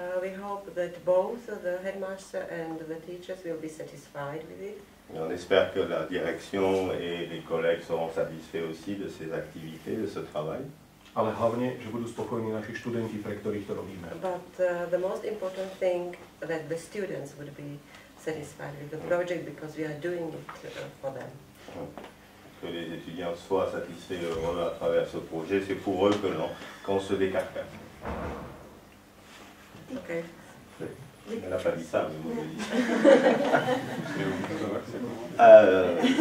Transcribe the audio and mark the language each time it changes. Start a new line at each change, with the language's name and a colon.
English: We hope that both the headmaster and the teachers will be satisfied with it.
French: On espère que la direction et les collègues seront satisfaits aussi de ces activités, de ce travail.
Slovak: Ale hlavne, že budú spokojní naši študenti, pre ktorých to robíme.
English: But the most important thing that the students would be satisfied with the project because we are doing it for them.
French: Que les étudiants soient satisfaits à travers ce projet, c'est pour eux que l'on qu'on se décarte. OK. Elle n'a pas dit ça, mais vous l'avez dit.